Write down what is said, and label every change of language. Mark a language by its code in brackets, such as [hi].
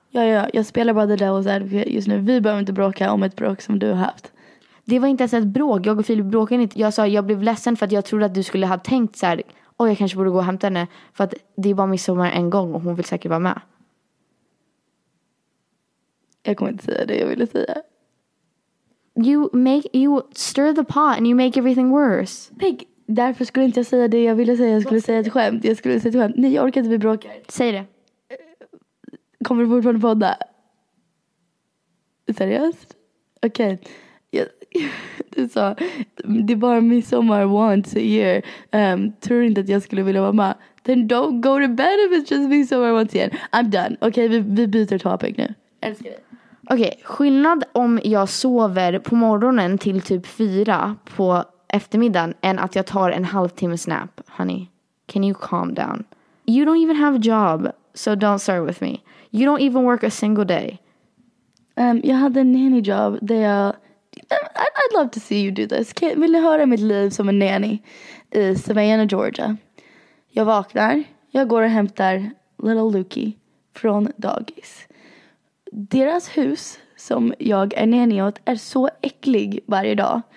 [sv] Ja, jag spelar bara det där just nu. Vi behöver inte bråka om ett bråk som du har haft. Det var inte ens ett bråk. Jag och Filip bråkade inte. Jag sa, jag blev ledsen för att jag trodde att du skulle ha tänkt så här, och jag kanske borde gå och hämta henne. För att det är bara midsommar en gång. Och hon vill säkert vara med. Jag kommer inte säga det jag ville säga. [en] You stir the pot and you make everything worse. [sv] Pig, därför skulle inte jag säga det jag ville säga. Jag skulle säga ett skämt. Nej, jag orkar inte bli bråkar. Säg det. Kommer du fortfarande på det? Seriöst? Okej. Okay. Du sa, det är bara midsommar [en] once a year. [sv] Tror inte att jag skulle vilja vara med. [en] Then don't go to bed if it's just midsommar once again. I'm done. [sv] Okej, okay, vi byter topic nu. Älskar dig. Okej, okay, skillnad om jag sover på morgonen till typ 4 på eftermiddagen än att jag tar en halvtimmes nap. [en] Honey, can you calm down? You don't even have a job, so don't start with me. You don't even work a single day. [sv] Jag hade en nanny job där jag... [en] I'd love to see you do this. [sv] Vill ni höra mitt liv som en nanny i Savannah, Georgia? Jag vaknar, jag går och hämtar little Lukey från dagis. Deras hus som jag är nanny åt är så äcklig varje dag.